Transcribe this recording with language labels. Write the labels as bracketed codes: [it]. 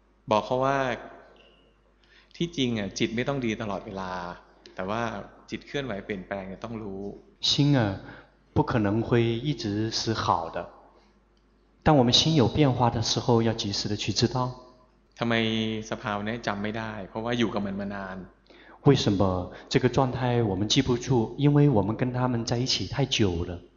[th] บอกเขาว่าที่จริงอ่ะจิตไม่ต้องดีตลอดเวลาแต่ว่าจิตเคลื่อนไหวเปลี่ยนแปลงต้องรู้ [zh] 心啊不可能会一直是好的当我们心有变化的时候要及时的去知道 [th] ทำไมสภาวะนี้จำไม่ได้เพราะว่าอยู่กับมันมานาน [zh] 为什么这个状态我们记不住因为我们跟他们在一起太久了